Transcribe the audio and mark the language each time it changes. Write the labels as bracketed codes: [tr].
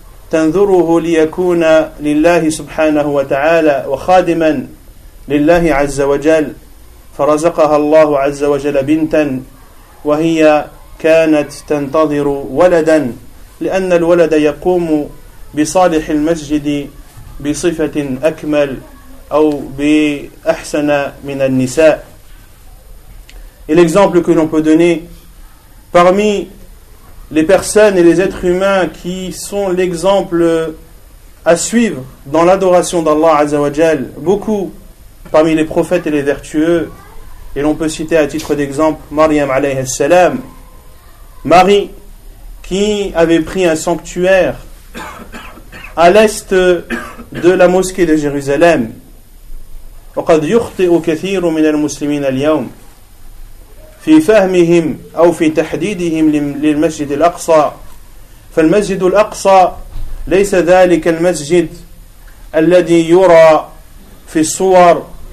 [ar] تنذره ليكون لله سبحانه وتعالى وخادما لله عز وجل, فرزقها الله عز وجل بنتا, وهي كانت تنتظر ولدا لأن الولد يقوم بصالح المسجد بصفة أكمل أو بأحسن من النساء. [fr] L'exemple que l'on peut donner, parmi les personnes et les êtres humains qui sont l'exemple à suivre dans l'adoration d'Allah Azza wa Jal, beaucoup parmi les prophètes et les vertueux, et l'on peut citer à titre d'exemple Maryam alayhi salam, Marie qui avait pris un sanctuaire à l'est de la mosquée de Jérusalem. [ar] وَقَدْ يُخْطِئُ كَثِيرٌ مِنَ الْمُسْلِمِينَ الْيَوْمِ في فهمهم أو في تحديدهم للمسجد الأقصى, فالمسجد الأقصى ليس ذلك المسجد الذي يرى في الصور